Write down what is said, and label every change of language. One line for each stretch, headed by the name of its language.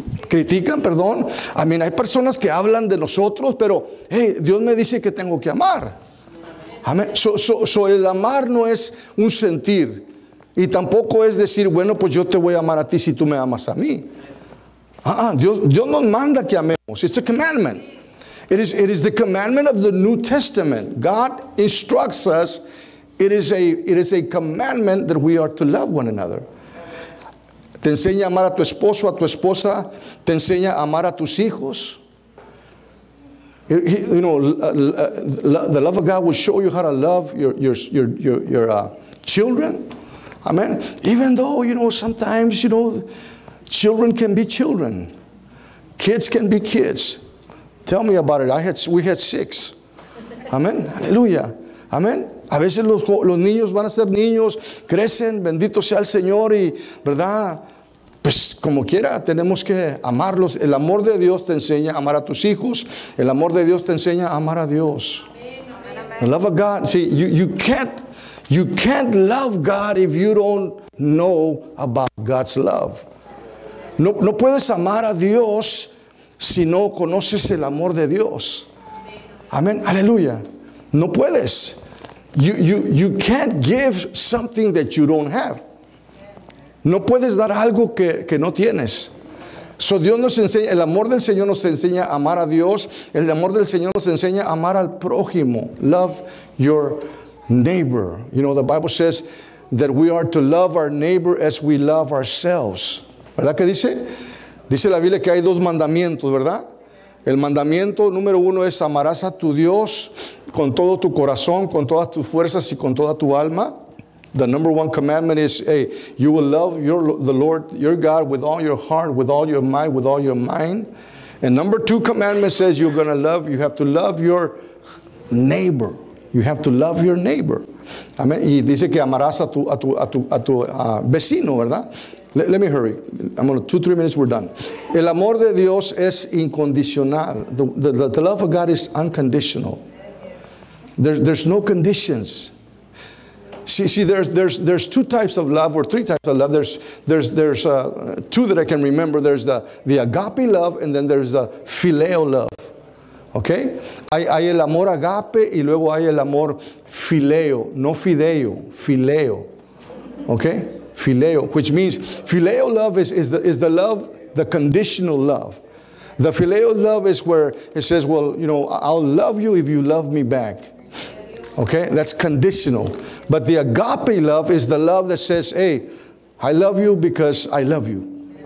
English: I mean,
Spanish: hay personas que hablan de nosotros, pero, hey, Dios me dice que tengo que amar. Amen. So el amar no es un sentir. Y tampoco es decir, bueno, pues yo te voy a amar a ti si tú me amas a mí. Dios nos manda que amemos.
English: It's a commandment. It is the commandment of the New Testament. God instructs us. It is a commandment that we are to love one another.
Spanish: Te enseña a amar a tu esposo, a tu esposa. Te enseña a amar a tus hijos.
English: The love of God will show you how to love your children. Amen. Even though, you know, sometimes, you know, children can be children. Kids can be kids. Tell me about it. We had six. Amen. Hallelujah. Amen.
Spanish: A veces los niños van a ser niños, crecen, bendito sea el Señor, y, ¿verdad? Pues, como quiera, tenemos que amarlos. El amor de Dios te enseña a amar a tus hijos. El amor de Dios te enseña a amar a Dios.
English: The love of God. See, you can't love God if you don't know about God's love.
Spanish: No puedes amar a Dios si no conoces el amor de Dios. Amén. Aleluya. No puedes.
English: You can't give something that you don't have.
Spanish: No puedes dar algo que no tienes. So Dios nos enseña, el amor del Señor nos enseña a amar a Dios. El amor del Señor nos enseña a amar al prójimo.
English: Love your neighbor. You know, the Bible says that we are to love our neighbor as we love ourselves.
Spanish: ¿Verdad que dice? Dice la Biblia que hay dos mandamientos, ¿verdad? El mandamiento número uno es: amarás a tu Dios con todo tu corazón, con todas tus fuerzas y con toda tu alma.
English: The number one commandment is, hey, you will love your, the Lord, your God, with all your heart, with all your mind, with all your mind. And number two commandment says you're going to love, you have to love your neighbor. You have to love your neighbor. Amen.
Spanish: Y dice que amarás a tu vecino, ¿verdad?
English: Let me hurry. I'm going to 2-3 minutes, we're done.
Spanish: El amor de Dios es incondicional.
English: The love of God is unconditional. There's no conditions. See, there's two types of love, or three types of love. There's two that I can remember. There's the agape love, and then there's the phileo love. Okay?
Spanish: Hay el amor agape, y luego hay el amor phileo. No fideo, phileo. Okay?
English: Phileo, which means phileo love is the love, the conditional love. The phileo love is where it says, well, you know, I'll love you if you love me back. Okay, that's conditional. But the agape love is the love that says, hey, I love you because I love you.